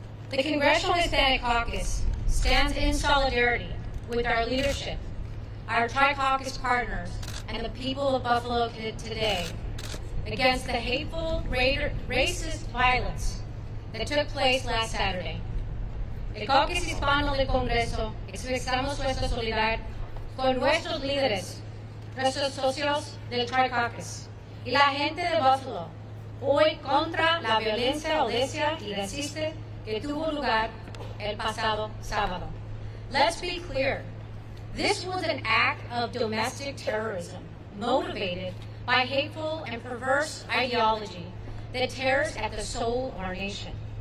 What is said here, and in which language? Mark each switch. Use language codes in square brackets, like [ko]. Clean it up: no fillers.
[en] The Congressional Hispanic Caucus stands in solidarity with our leadership, our Tri-Caucus partners, and the people of Buffalo today against the hateful, racist violence that took place last Saturday. [es] El Caucus Hispano del Congreso expresamos nuestra solidaridad con nuestros líderes, nuestros socios del Tri-Caucus, y la gente de Buffalo hoy contra la violencia odiosa y racista que tuvo lugar el pasado sábado. [en] Let's be clear. This was an act of domestic terrorism motivated by hateful and perverse ideology that tears at the soul of our nation.